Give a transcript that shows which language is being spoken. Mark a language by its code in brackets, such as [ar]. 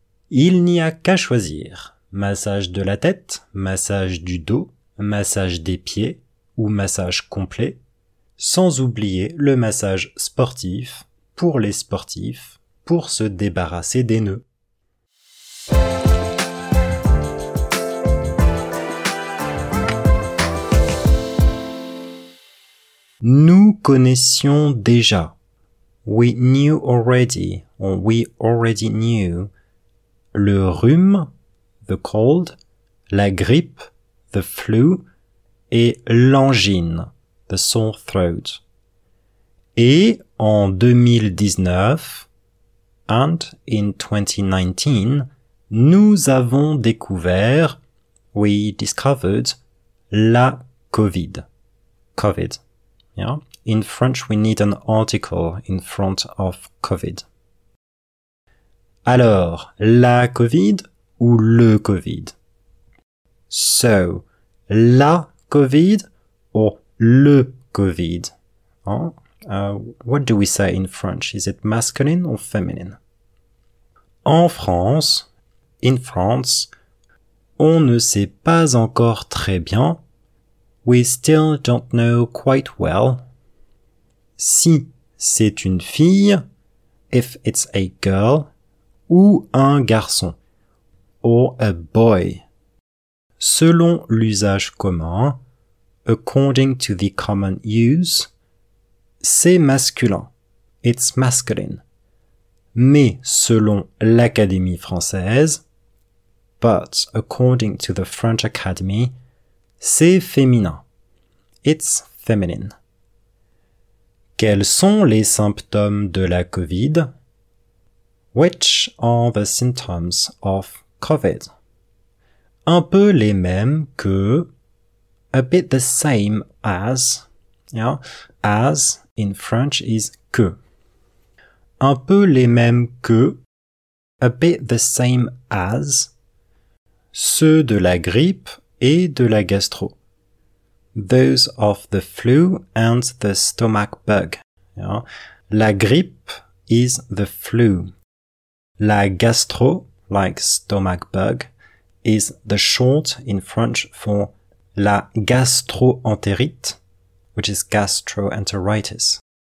[fr] Il n'y a qu'à choisir, massage de la tête, massage du dos, massage des pieds ou massage complet, sans oublier le massage sportif pour les sportifs, pour se débarrasser des nœuds. Nous connaissions déjà. [en] We knew already, or we already knew. [fr] Le rhume, [en] the cold, [fr] la grippe, [en] the flu, [fr] et l'angine, [en] the sore throat. [fr] Et en 2019, [en] and in 2019, [fr] nous avons découvert, [en] we discovered, [fr] la COVID. COVID. Yeah? [en] In French, we need an article in front of COVID. [fr] Alors, la COVID ou le COVID? [en] So, la COVID or le COVID? What do we say in French? Is it masculine or feminine? In France, [fr] on ne sait pas encore très bien. [en] We still don't know quite well. [fr] Si c'est une fille, [en] if it's a girl, [fr] ou un garçon, [en] or a boy. [fr] Selon l'usage commun, [en] according to the common use, [fr] c'est masculin, [en] it's masculine. [fr] Mais selon l'Académie française, [en] but according to the French Academy, [fr] c'est féminin, [en] it's feminine. [fr] Quels sont les symptômes de la COVID? [en] Which are the symptoms of COVID? [fr] Un peu les mêmes que, [en] a bit the same as, yeah, as in French is que. [fr] Un peu les mêmes que, [en] a bit the same as, [fr] ceux de la grippe et de la gastro. [en] Those of the flu and the stomach bug. Yeah. La grippe is the flu. La gastro, like stomach bug, is the short in French for la gastroentérite, which is gastroenteritis.